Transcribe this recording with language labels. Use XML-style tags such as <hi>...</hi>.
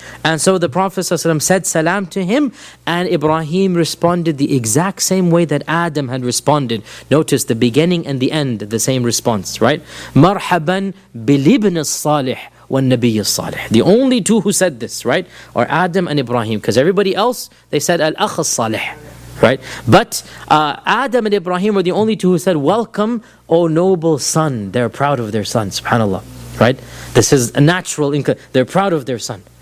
<en>And so the Prophet ﷺ said salam to him, and Ibrahim responded the exact same way that Adam had responded. Notice the beginning and the end, the same response, right?</en> <ar>مرحباً بالابن الصالح والنبي الصالح.</ar> <en>The only two who said this, right, are Adam and Ibrahim. Because everybody else, they said</en> <ar>الأخ الصالح.</ar> <en>Right, but Adam and Ibrahim were the only two who said, welcome, O noble son. They're proud of their son, subhanAllah. Right? This is a natural inclination. They're proud of their son.</en>